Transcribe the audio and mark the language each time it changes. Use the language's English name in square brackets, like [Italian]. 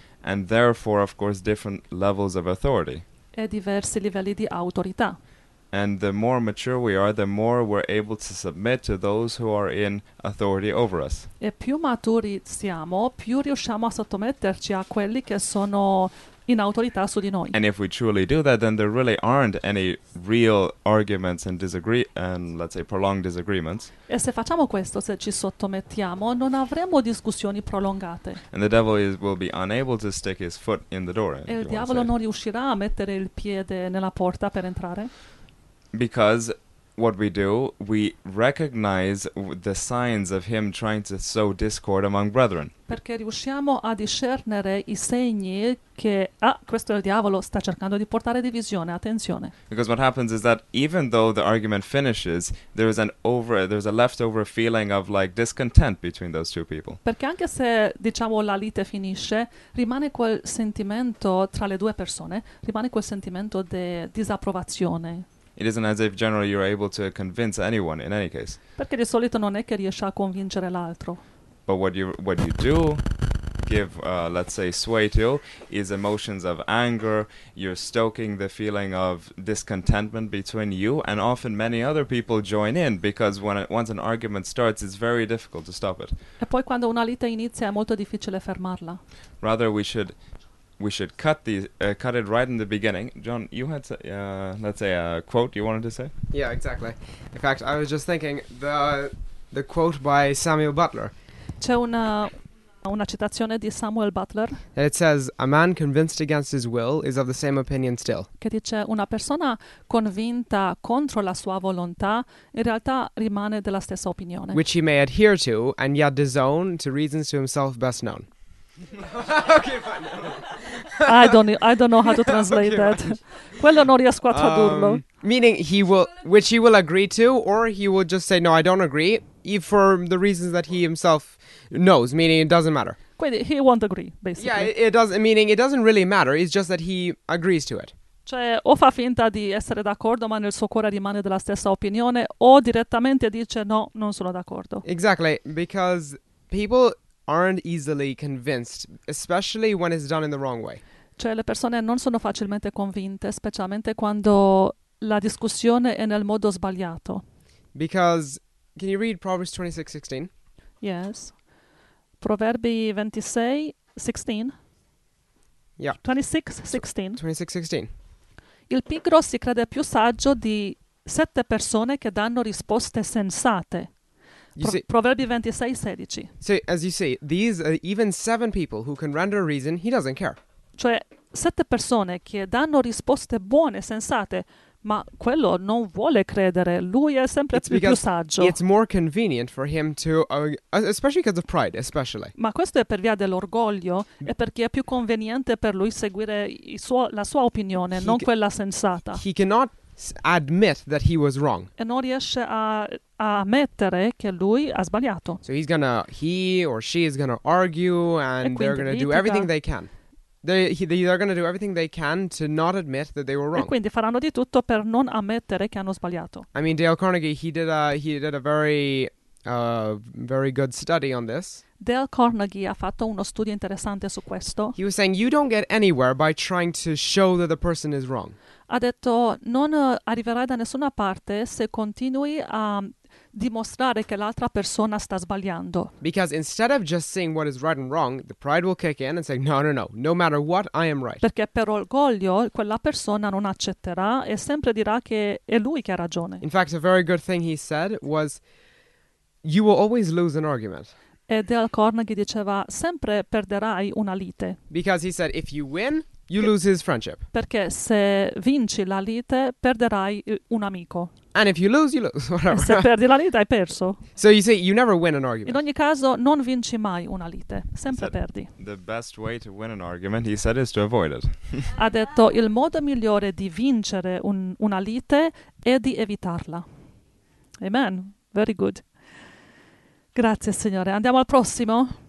[English] And therefore, of course, different levels of authority. [Italian] E diversi livelli di autorità. [English] And the more mature we are, the more we're able to submit to those who are in authority over us. [Italian] E più maturi siamo, più riusciamo a sottometterci a quelli che sono in autorità su di noi. [English] And if we truly do that, then there really aren't any real arguments and disagree and let's say prolonged disagreements. [Italian] E se facciamo questo, se ci sottomettiamo, non avremo discussioni prolungate. [English] And the devil will be unable to stick his foot in the door. [Italian] E il diavolo non riuscirà a mettere il piede nella porta per entrare. [English] Because what we do, we recognize the signs of him trying to sow discord among brethren. [Italian] Perché riusciamo a discernere i segni che, questo è il diavolo, sta cercando di portare divisione, attenzione. [English] Because what happens is that even though the argument finishes, there's a leftover feeling of like discontent between those two people. [Italian] Perché anche se, diciamo, la lite finisce, rimane quel sentimento tra le due persone, rimane quel sentimento di disapprovazione. [English] It isn't as if generally you're able to convince anyone in any case. [Italian] Perché di solito non è che riesci a convincere l'altro. [English] But what you do give, let's say, sway to is emotions of anger. You're stoking the feeling of discontentment between you, and often many other people join in, because once an argument starts, it's very difficult to stop it. [Italian] E poi quando una lite inizia è molto difficile fermarla. [English] Rather, we should cut it right in the beginning. John, you had, a quote you wanted to say? Yeah, exactly. In fact, I was just thinking the quote by Samuel Butler. [Italian] C'è una citazione di Samuel Butler. [English] And it says, a man convinced against his will is of the same opinion still. [Italian] Che dice, una persona convinta contro la sua volontà in realtà rimane della stessa opinione. [English] Which he may adhere to and yet disown to reasons to himself best known. Okay, fine. I don't know how to translate that. [Italian] Quello non riesco a tradurlo. [English] Meaning which he will agree to, or he will just say no, I don't agree, if for the reasons that he himself knows, meaning it doesn't matter. [Italian] Quindi [English] he won't agree, basically. Yeah, it doesn't really matter, it's just that he agrees to it. [Italian] Cioè, o fa finta di essere d'accordo, ma nel suo cuore rimane della stessa opinione, o direttamente dice no, non sono d'accordo. [English] Exactly, because people aren't easily convinced, especially when it's done in the wrong way. [Italian] Cioè, le persone non sono facilmente convinte, specialmente quando la discussione è nel modo sbagliato. [English] Because, can you read Proverbs 26:16? Yes. [Italian] Proverbi 26:16. [English] Yeah. 26:16. 26:16. [Italian] Il pigro si crede più saggio di sette persone che danno risposte sensate. Proverbi 26:16. [English] So, as you see, these are even seven people who can render a reason, he doesn't care. [Italian] Cioè, sette persone che danno risposte buone, sensate, ma quello non vuole credere, lui è sempre più saggio. [English] It's more convenient for him to, especially because of pride, especially. [Italian] Ma questo è per via dell'orgoglio, è perché è più conveniente per lui seguire la sua opinione, non quella sensata. [English] He cannot admit that he was wrong. [Italian] E non riesce a ammettere che lui ha sbagliato. [English] So he or she is gonna argue, and they're gonna do everything they can. They're going to do everything they can to not admit that they were wrong. [Italian] E quindi faranno di tutto per non ammettere che hanno sbagliato. [English] I mean, Dale Carnegie, he did a very very good study on this. [Italian] Dale Carnegie ha fatto uno studio interessante su questo. [English] He was saying you don't get anywhere by trying to show that the person is wrong. [Italian] Ha detto non arriverai da nessuna parte se continui a dimostrare che l'altra persona sta sbagliando. [English] Because instead of just seeing what is right and wrong, the pride will kick in and say no matter what I am right. [Italian] Perché per orgoglio quella persona non accetterà e sempre dirà che è lui che ha ragione. [English] In fact, a very good thing he said was you will always lose an argument. [Italian] E Dale Carnegie diceva sempre perderai una lite. [English] Because he said if you win, you lose his friendship. [Italian] Perché se vinci la lite perderai un amico. [English] And if you lose, you lose. Whatever. [Italian] Se perdi la lite hai perso. [English] So you see, you never win an argument. [Italian] In ogni caso, non vinci mai una lite. Sempre perdi. [English] The best way to win an argument, he said, is to avoid it. [Italian] Ha detto il modo migliore di vincere una lite è di evitarla. [English] Amen. Very good. [Italian] Grazie, Signore. Andiamo al prossimo.